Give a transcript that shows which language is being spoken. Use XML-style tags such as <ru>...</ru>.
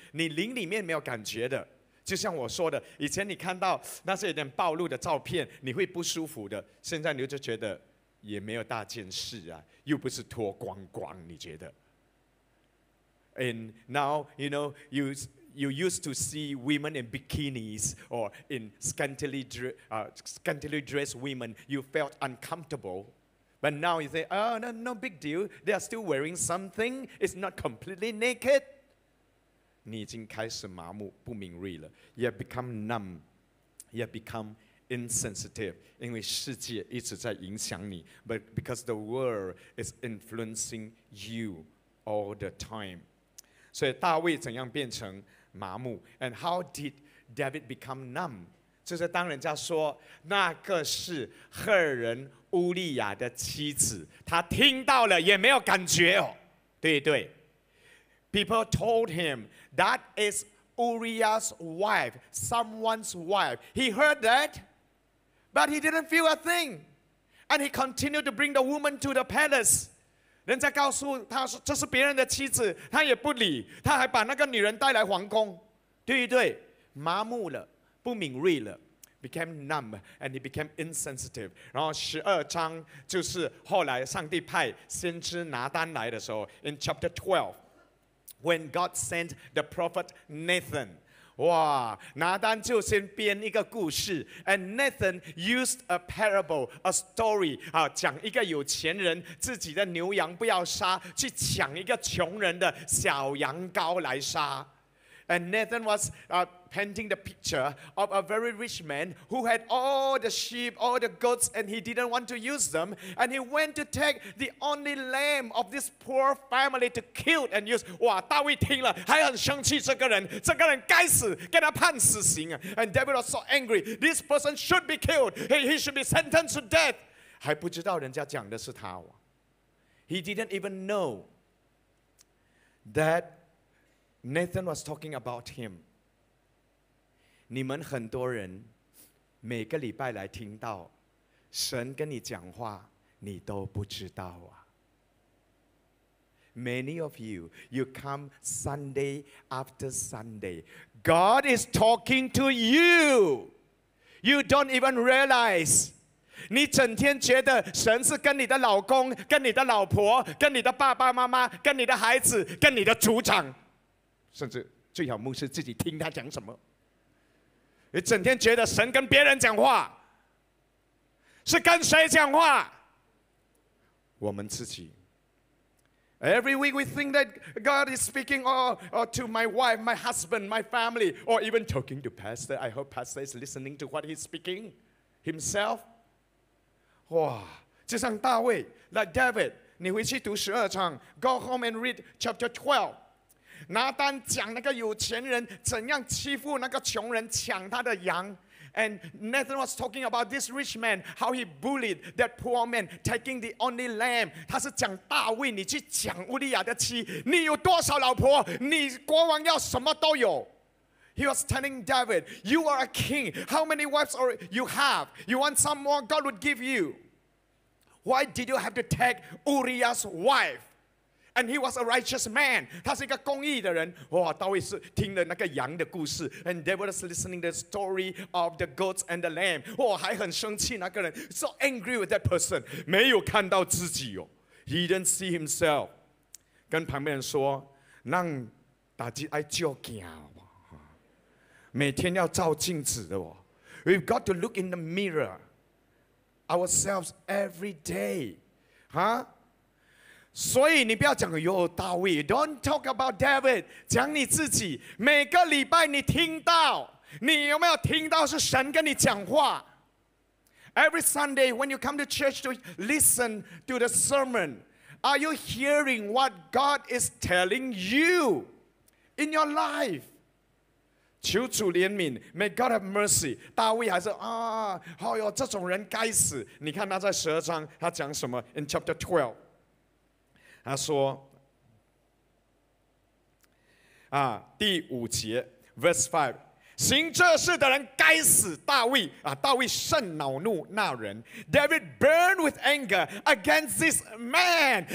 <zh>你灵里面没有感觉的, 就像我说的, 以前你看到那些有点暴露的照片, 你会不舒服的, 现在你就觉得, 也没有大件事啊, 又不是脱光光, 你觉得?</zh> <en>And now, you know, you used to see women in bikinis or in scantily dressed women, you felt uncomfortable. But now you say, oh, no, no big deal. They are still wearing something. It's not completely naked.</en> <zh>你已经开始麻木,不敏锐了,</zh> <en>you have become numb. You have become insensitive.</en> <zh>因为世界一直在影响你,</zh> <en>but because the world is influencing you all the time.</en> <zh>所以大卫怎样变成?麻木.</zh> <en>And how did David become numb?</en> <zh>就是当人家说, 那个是赫人乌利亚的妻子, 他听到了也没有感觉哦, 对对?</zh> <en>People told him, that is Uriah's wife, someone's wife. He heard that, but he didn't feel a thing. And he continued to bring the woman to the palace.</en> <zh>人家告诉他说这是别人的妻子, 他也不理, 他还把那个女人带来皇宫。对对, 麻木了, 不敏锐了,</zh> <en>became numb, and he became insensitive.</en> <zh>然后12章, 就是后来上帝派先知拿单来的时候,</zh> <en>in chapter 12, when God sent the prophet Nathan,</en> <zh>哇，拿单就先编一个故事 ，</zh> <en>and Nathan used a parable, a story，</en> <zh>啊，讲一个有钱人自己的牛羊不要杀，去抢一个穷人的小羊羔来杀。</zh> <en>And Nathan was painting the picture of a very rich man who had all the sheep, all the goats, and he didn't want to use them. And he went to take the only lamb of this poor family to kill and use.</en> <zh>哇，大卫听了还很生气，这个人该死，给他判死刑。</zh> <en>And David was so angry. This person should be killed. He should be sentenced to death.</en> <zh>还不知道人家讲的是他。</zh> <en>He didn't even know that. Nathan was talking about him.</en> <zh>你们很多人每个礼拜来听到神跟你讲话，你都不知道啊。</zh> <en>Many of you, you come Sunday after Sunday. God is talking to you. You don't even realize.</en> <zh>你整天觉得神是跟你的老公、跟你的老婆、跟你的爸爸妈妈、跟你的孩子、跟你的主场。甚至最好牧师自己听他讲什么，你整天觉得神跟别人讲话，是跟谁讲话？我们自己。</zh> <en>Every week we think that God is speaking or to my wife, my husband, my family, or even talking to pastor. I hope pastor is listening to what he's speaking himself.</en> <zh>哇，就像大卫 ，</zh> <en>like David，</en> <zh>你回去读十二章 ，</zh> <en>go home and read chapter 12。</en> <zh>拿单讲那个有钱人怎样欺负那个穷人抢他的羊</zh> <en>and Nathan was talking about this rich man how he bullied that poor man taking the only lamb</en> <zh>他是讲大卫你去抢乌利亚的妻你有多少老婆你国王要什么都有</zh> <en>he was telling David you are a king how many wives are you have you want some more God would give you why did you have to take Uriah's wifeAnd he was a righteous man.</en> <zh>他是一个公义的人。哇，大卫是听了那个羊的故事。</zh> <en>And David was listening to the story of the goats and the lamb.</en> <zh>哇，还很生气那个人。</zh> <en>So angry with that person.</en> <zh>没有看到自己哦。</zh> <en>He didn't see himself.</en> <zh>跟旁边人说，让大家爱照镜哦。每天要照镜子的哦。</zh> <en>We've got to look in the mirror ourselves every day. Huh?</en> <zh>所以你不要讲哟，大卫 ，</zh> <en>Don't talk about David，</en> <zh>讲你自己。每个礼拜你听到，你有没有听到是神跟你讲话</zh> <en>？Every Sunday when you come to church to listen to the sermon， are you hearing what God is telling you in your life？</en> <zh>求主怜悯 ，</zh> <en>May God have mercy。</en> <zh>大卫还是啊，哎呦，这种人该死。你看他在十二章他讲什么 ？</zh> <en>In chapter 12。</en> <zh>他说啊，第五节</zh> <en>verse 5</en> <zh>行这事的人该死大卫啊，大卫甚恼怒那人</zh> <en>David burned with anger against this man</en>